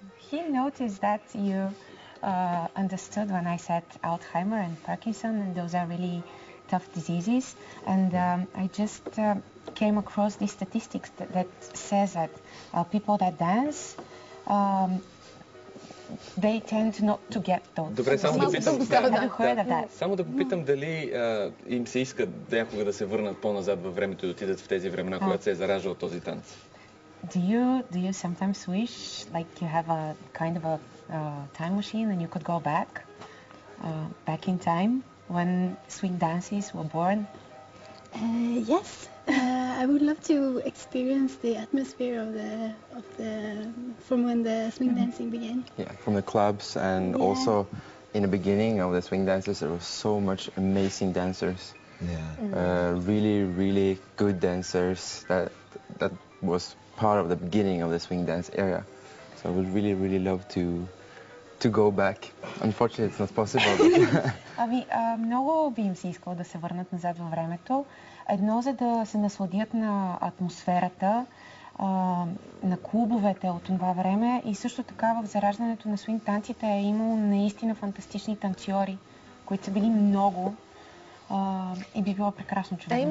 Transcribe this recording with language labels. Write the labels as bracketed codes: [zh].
[en] He noticed that you understood when I said Alzheimer and Parkinson, and those are really tough diseases. And I just came across these statistics that says that people that dance they tend not to get those. [bg] Добре, само да питам, Само да попитам дали им се иска някога да се върнат по-назад във времето и отидат в тези времена, когато се е заражал този танц. [en] Do you sometimes wish like you have a kind of a time machine and you could go back back in time when swing dances were born? Yes. I would love to experience the atmosphere of the from when the swing dancing began. Yeah, from the clubs and also in the beginning of the swing dancers, there were so much amazing dancers. Yeah. Really, really good dancers that was part of the beginning of the swing dance era. So I would really, really love to go back. Unfortunately, it's not possible. [bg] Много би им се искало да се върнат назад във времето. Едно, за да се насладят на атмосферата, на клубовете от това време и също така в зараждането на свинг танците е имало наистина фантастични танцори, които са били много и би било прекрасно човек.